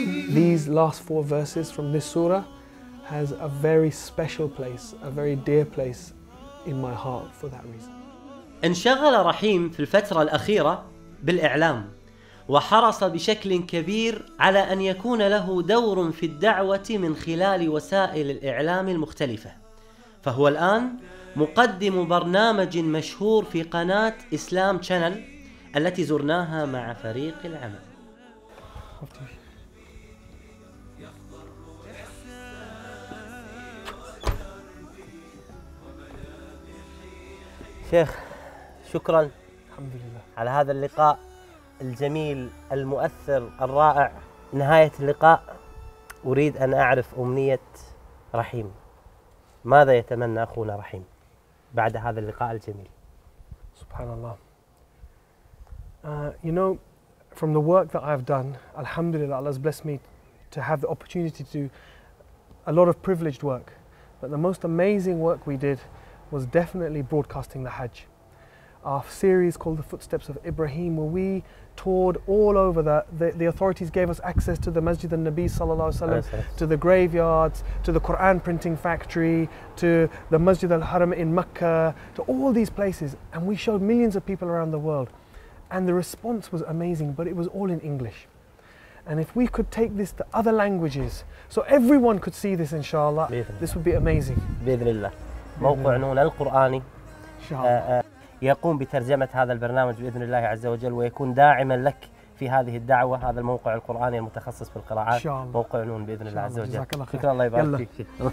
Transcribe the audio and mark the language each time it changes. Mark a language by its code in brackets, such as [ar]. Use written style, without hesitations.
[en] These last four verses from this surah has a very special place, a very dear place in my heart for that reason. [ar] انشغل رحيم في الفترة الأخيرة بالإعلام، وحرص بشكل كبير على أن يكون له دور في الدعوة من خلال وسائل الإعلام المختلفة، فهو الآن مقدم برنامج مشهور في قناة إسلام شانل التي زرناها مع فريق العمل. شيخ شكرا الحمد لله على هذا اللقاء الجميل المؤثر الرائع. نهاية اللقاء أريد أن أعرف أمنية رحيم، ماذا يتمنى أخونا رحيم بعد هذا اللقاء الجميل؟ سبحان الله. [en] You know, from the work that I've done, alhamdulillah, Allah has blessed me to have the opportunity to do a lot of privileged work, but the most amazing work we did was definitely broadcasting the Hajj. Our series called The Footsteps of Ibrahim, where we toured all over that. The authorities gave us access to the Masjid al-Nabi sallallahu alayhi wa sallam, to the graveyards, to the Quran printing factory, to the Masjid al-Haram in Mecca, to all these places. And we showed millions of people around the world. And the response was amazing, but it was all in English. And if we could take this to other languages, so everyone could see this inshallah, this would be amazing. [ar] Bidhillah. موقعنا القرآني يقوم بترجمة هذا البرنامج بإذن الله عز وجل ويكون داعما لك في هذه الدعوة هذا الموقع القرآني المتخصص في القراءات موقع نون بإذن الله عز وجل شكرا الله يبارك فيك